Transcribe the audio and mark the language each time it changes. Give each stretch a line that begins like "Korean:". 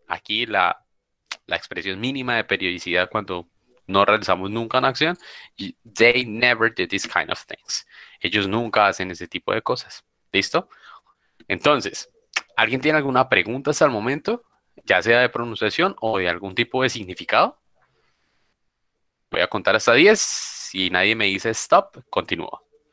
Spanish: Aquí la expresión mínima de periodicidad cuando no realizamos nunca una acción.
English: They never do this kind of things.
Spanish: Ellos nunca hacen ese tipo de cosas. ¿Listo? Entonces, ¿alguien tiene alguna pregunta hasta el momento? Ya sea de pronunciación o de algún tipo de significado. Voy a contar hasta 10. Si nadie me dice stop, continúo.